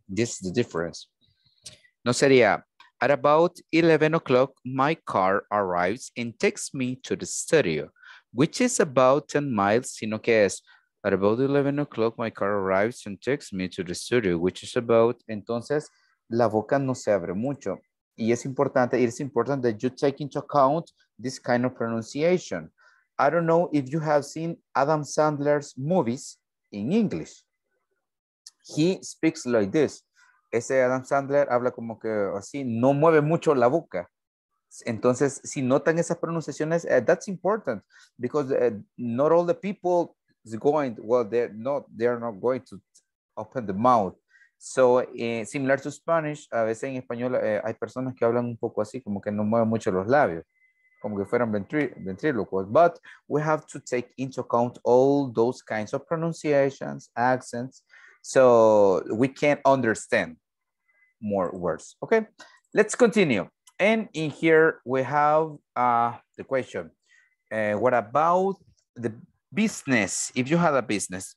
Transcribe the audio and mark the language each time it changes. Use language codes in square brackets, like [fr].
[en] This is the difference. [es] No sería, [en] at about 11 o'clock, my car arrives and takes me to the studio, which is about 10 miles, [es] sino que es, [en] at about 11 o'clock, my car arrives and takes me to the studio, which is about, [es] entonces, la boca no se abre mucho. Y es importante, [en] it's important that you take into account this kind of pronunciation. I don't know if you have seen Adam Sandler's movies in English. He speaks like this. [es] Ese Adam Sandler habla como que así, no mueve mucho la boca. Entonces, si notan esas pronunciaciones, [en] that's important because not all the people they're not going to open the mouth. So, similar to Spanish, [es] a veces en español hay personas que hablan un poco así, como que no mueven mucho los labios, como que fueran ventrílocos. [en] But we have to take into account all those kinds of pronunciations, accents, so we can understand more words. Okay, let's continue. And in here we have the question, what about the business, if you had a business.